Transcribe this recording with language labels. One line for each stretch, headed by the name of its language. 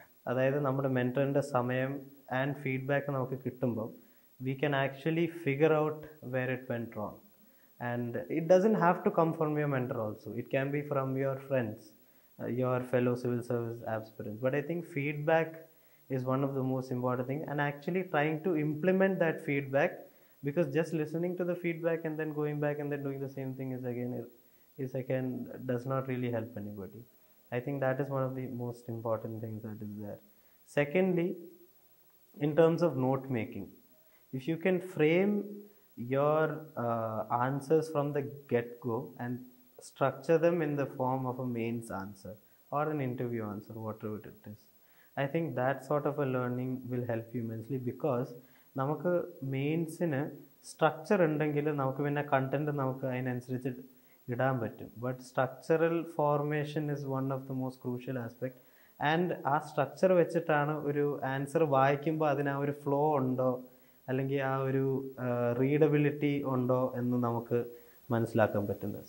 Malayalam: അതായത് നമ്മുടെ മെൻറ്ററിൻ്റെ സമയം ആൻഡ് ഫീഡ്ബാക്ക് നമുക്ക് കിട്ടുമ്പം
English: We can actually figure out where it went wrong. And it doesn't have to come from your mentor also, it can be from your friends, your fellow civil service aspirants. But I think feedback is one of the most important thing and actually trying to implement that feedback. Because just listening to the feedback and then going back and then doing the same thing is again does not really help anybody. I think that is one of the most important things that is there. Secondly, in terms of note making, if you can frame your answers from the get-go and structure them in the form of a mains answer or an interview answer, whatever it is, I think that sort of a learning will help you immensely.
Malayalam: Because നമുക്ക് മെയിൻസിന് structure ഉണ്ടെങ്കിൽ നമുക്ക് പിന്നെ content നമുക്ക് അതിനനുസരിച്ച് ഇടാൻ പറ്റും.
English: But structural formation is one of the most crucial aspect.
Malayalam: And ആ structure വെച്ചിട്ടാണ് ഒരു ആൻസർ വായിക്കുമ്പോൾ അതിന് ആ ഒരു ഫ്ലോ ഉണ്ടോ അല്ലെങ്കിൽ ആ ഒരു റീഡബിലിറ്റി ഉണ്ടോ എന്ന് നമുക്ക് മനസ്സിലാക്കാൻ പറ്റുന്നത്.